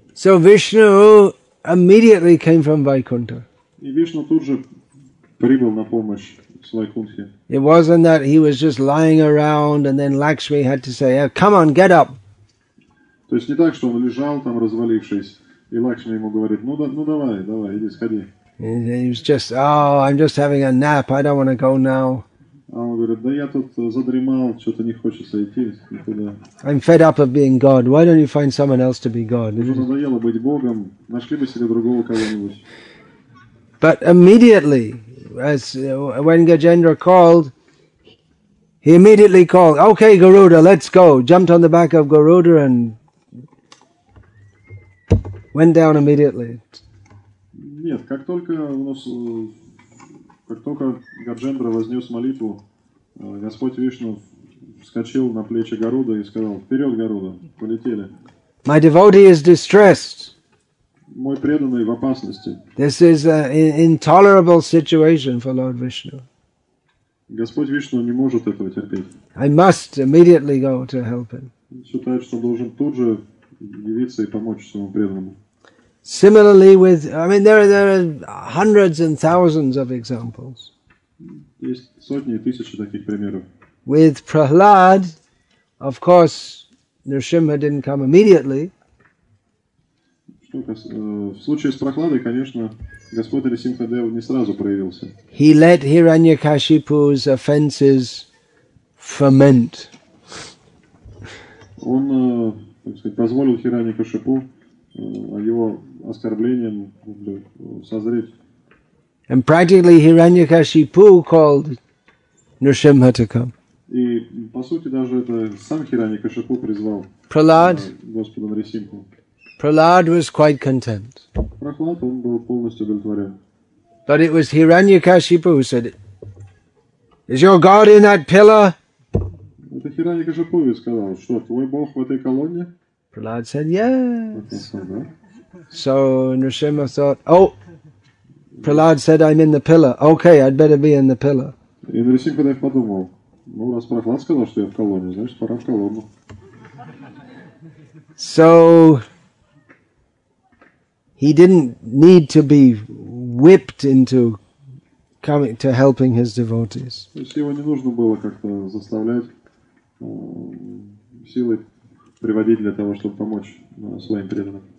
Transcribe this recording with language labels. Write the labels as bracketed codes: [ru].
[en] So Vishnu immediately came from Vaikuntha. [ru] И Вишну тут же прибыл на помощь с Вайкунтхи. [en] It wasn't that he was just lying around and then Lakshmi had to say, come on, get up. [ru] То есть не так, что он лежал там, развалившись, и Лакшми ему говорит, давай, иди, сходи. [en] He was just, I'm just having a nap, I don't want to go now. [ru] А он говорит, я тут задремал, что-то не хочется идти никуда. [en] I'm fed up of being God, why don't you find someone else to be God? [ru] Мне надоело быть Богом, нашли бы себе другого кого-нибудь. [en] But immediately, when Gajendra called, he immediately called, okay, Garuda, let's go, jumped on the back of Garuda and went down immediately. [ru] Нет, как только у нас, как только Гарджендра вознес молитву, Господь Вишну вскочил на плечи Гаруда и сказал: «Вперед, Гаруда, полетели». [en] My devotee is distressed. [ru] Мой преданный в опасности. [en] This is an intolerable situation for Lord Vishnu. [ru] Господь Вишну не может этого терпеть. [en] I must immediately go to help him. [ru] Считает, что должен тут же явиться и помочь своему преданному. [en] Similarly with, I mean, there are hundreds and thousands of examples. [ru] Есть сотни и тысячи таких примеров. [en] With Prahlad, of course, Нрсимха didn't come immediately. [ru] В случае с Прохладой, конечно, Господь Нрсимхадев не сразу проявился. [en] He let Hiranyakashipu's offenses ferment. [ru] Он, так сказать, позволил Хираньякашипу его оскорблением созреть. [en] And practically Hiranyakashipu called Нрсимха to come. [ru] И по сути даже это сам Хираньякашипу призвал Господа Нрсимху. [en] Prahlad was quite content. [ru] Прохлад, он был полностью удовлетворен. [en] But it was Hiranyakashipu who said, "Is your God in that pillar?" [ru] Это Хираньякашипу сказал, что твой Бог в этой колонне? [en] Prahlad said, "Yes." So Нрсимха thought, "Oh, Prahlad said I'm in the pillar. Okay, I'd better be in the pillar." [ru] И Нрсимха даже подумал, ну раз Прохлад сказал, что я в колонне, значит пора в колонну. [en] So he didn't need to be whipped into coming to helping his devotees. [ru] То есть его не нужно было как-то заставлять силой приводить для того, чтобы помочь своим преданным.